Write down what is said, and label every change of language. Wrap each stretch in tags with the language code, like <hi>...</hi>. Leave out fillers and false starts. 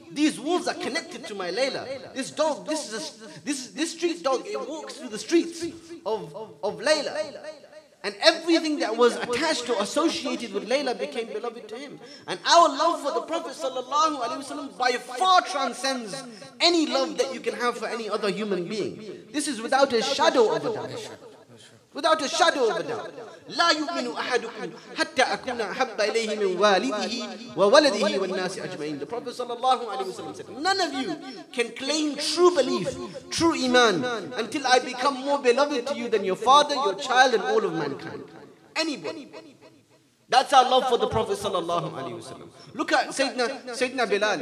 <en>These walls are connected to my Layla. This dog, this street dog, it walks through the streets of Layla. And everything that was attached or associated with Layla became beloved to him. And our love for the Prophet sallallahu alaihi wasallam by far transcends any love that you can have for any other human being. This is without a shadow of a doubt. Without a shadow of a doubt.</en> <ar>لا يؤمن أحدكم حتى أكون أحب إليه من والده وولده والناس أجمعين.</ar> <en>The Prophet sallallahu alaihi wasallam said, none of you can claim true belief, true iman, until I become more beloved to you than your father, your child, and all of mankind. Anybody. That's our love for the Prophet sallallahu alaihi wasallam. Look at Sayyidina Bilal.</en>